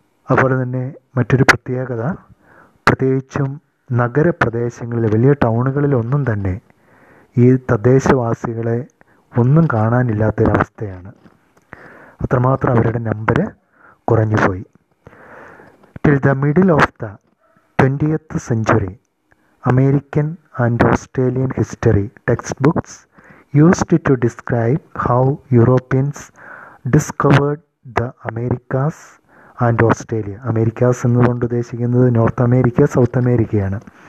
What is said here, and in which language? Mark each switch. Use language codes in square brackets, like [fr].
[ml] അതുപോലെ തന്നെ മറ്റൊരു പ്രത്യേകത, പ്രത്യേകിച്ചും നഗരപ്രദേശങ്ങളിൽ, വലിയ ടൗണുകളിലൊന്നും തന്നെ ഈ തദ്ദേശവാസികളെ ഒന്നും കാണാനില്ലാത്തൊരവസ്ഥയാണ്. അത്രമാത്രം അവരുടെ number കുറഞ്ഞുപോയി. [en] Till the middle of the 20th century, American and Australian history textbooks used to describe how Europeans discovered the Americas and Australia. [ml] Americas എന്ന് കൊണ്ട് ഉദ്ദേശിക്കുന്നത് നോർത്ത് അമേരിക്ക, സൗത്ത് അമേരിക്കയാണ്.